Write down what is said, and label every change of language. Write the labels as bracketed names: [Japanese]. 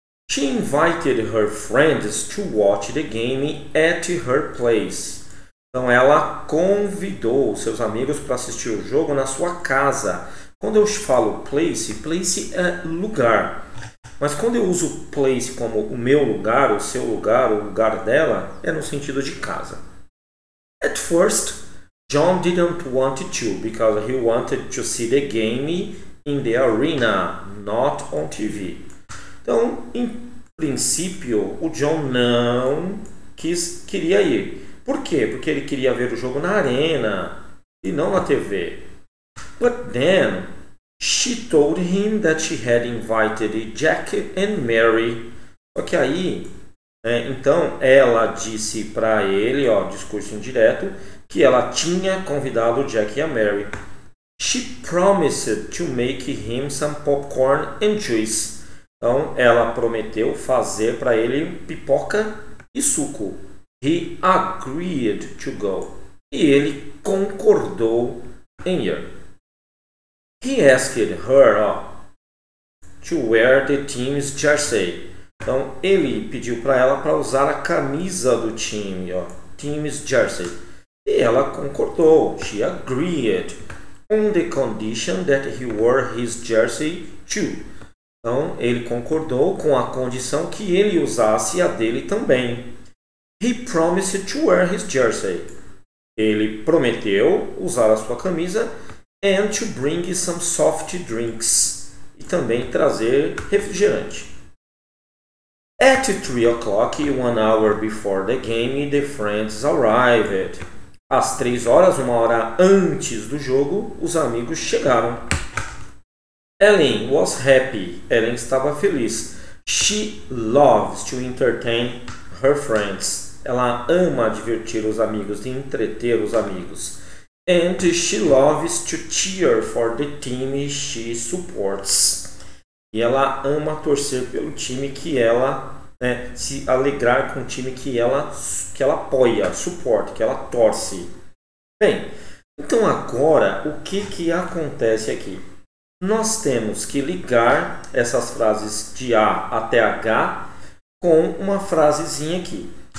[English] She invited her friends to watch the game at her place. [Portuguese] Então ela convidou seus amigos para assistir o jogo na sua casa. Quando eu falo place, place é lugar. Mas quando eu uso place como o meu lugar, o seu lugar, o lugar dela, é no sentido de casa. [English] At first, John didn't want to, because he wanted to see the game in the arena, not on TV. [Portuguese] Então, em princípio, o John não quis, queria ir. Por quê? Porque ele queria ver o jogo na arena e não na TV. [English] But then, she told him that she had invited Jack and Mary. [Portuguese] Só que aí, né, então ela disse para ele, ó, discurso indireto, que ela tinha convidado Jack e a Mary. [English] She promised to make him some popcorn and juice. [Portuguese] Então ela prometeu fazer para ele pipoca e suco. [English] He agreed to go. [Portuguese] E ele concordou em ir. [English] He asked her, to wear the team's jersey. [Portuguese] Então ele pediu para ela para usar a camisa do time, ó, [English] team's jersey. [Portuguese] E ela concordou. [English] She agreed on the condition that he wore his jersey too. [Portuguese] Então ele concordou com a condição que ele usasse a dele também. [English] He promised to wear his jersey. [Portuguese] Ele prometeu usar a sua camisa. [English] And to bring some soft drinks. [Portuguese] E também trazer refrigerante. [English] At 3 o'clock, 1 hour before the game, the friends arrived. [Portuguese] Às 3 horas, 1 hora antes do jogo, os amigos chegaram. [English] Ellen was happy. [Portuguese] Ellen estava feliz. [English] She loves to entertain her friends. [Portuguese] Ela ama divertir os amigos e entreter os amigos. [English] And she loves to cheer for the team she supports. [Portuguese] E ela ama torcer pelo time que ela, né, se alegrar com o time que ela apoia, suporta, que ela torce. Bem, então agora o que que acontece aqui? Nós temos que ligar essas frases de A até H com uma frasezinha aqui.